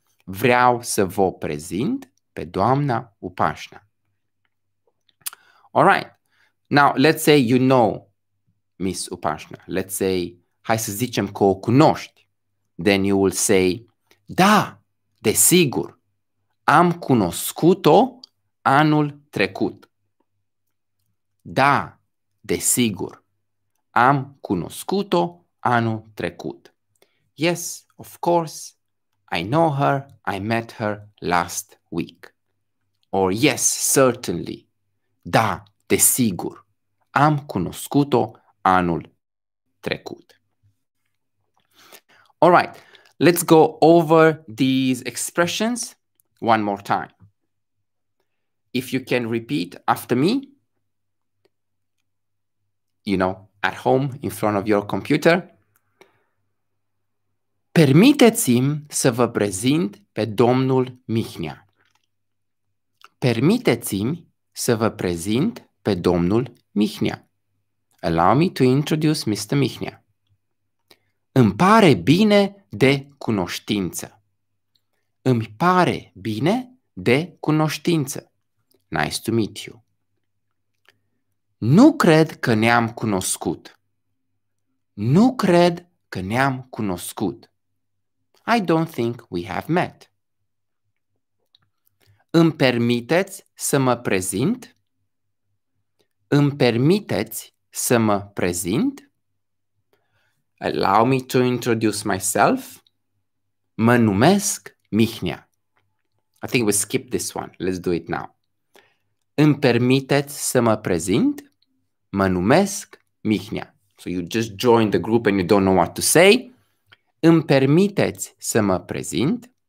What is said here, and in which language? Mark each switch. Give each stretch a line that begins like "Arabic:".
Romanian: Vreau să vă prezint pe doamna Upașta.
English: All right, now let's say you know Miss Upașta. Let's say,
Romanian: hai să zicem că o cunoști.
English: Then you will say,
Romanian: da, desigur, am cunoscut-o anul trecut. Da, desigur. Am cunoscut-o anul trecut.
English: Yes, of course. I know her. I met her last week. Or yes, certainly.
Romanian: Da, desigur. Am cunoscut-o anul trecut.
English: All right. Let's go over these expressions one more time. If you can repeat after me, you know, at home, in front of your computer.
Romanian: Permiteți-mi să vă prezint pe domnul Mihnea. Permiteți-mi să vă prezint pe domnul Mihnea.
English: Allow me to introduce Mr. Mihnea.
Romanian: Îmi pare bine de cunoștință. Îmi pare bine de cunoștință.
English: Nice to meet you.
Romanian: Nu cred că ne-am cunoscut. Nu cred că ne-am cunoscut.
English: I don't think we have met.
Romanian: Îmi permiteți să mă prezint? Îmi permiteți să mă prezint?
English: Allow me to introduce myself.
Romanian: Mă numesc Mihnea.
English: I think we skipped this one. Let's do it now.
Romanian: Îmi permiteți să mă prezint? Mă numesc Mihnea.
English: So you just joined the group and you don't know what to say.
Romanian: Îmi permiteți să mă prezint?